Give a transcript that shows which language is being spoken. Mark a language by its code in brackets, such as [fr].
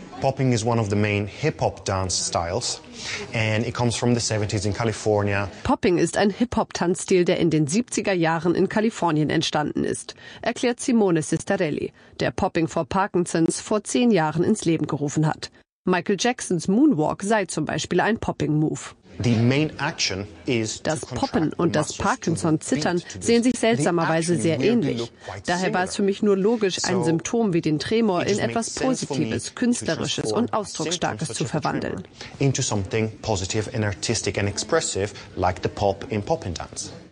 [en] Popping is one of the main hip-hop dance styles and it comes from the 70s in California. [de] Popping ist ein Hip-Hop-Tanzstil, der in den 70er Jahren in Kalifornien entstanden ist, erklärt Simone Sistarelli, der Popping for Parkinsons vor 10 Jahren ins Leben gerufen hat. Michael Jacksons Moonwalk sei zum Beispiel ein Popping-Move. [en] The main action is [de] das Poppen und das Parkinson-Zittern sehen sich seltsamerweise sehr ähnlich. Daher war es für mich nur logisch, ein Symptom wie den Tremor in etwas Positives, Künstlerisches und Ausdrucksstarkes zu verwandeln. [en] Into something positive and artistic and expressive, like the pop in popping dance.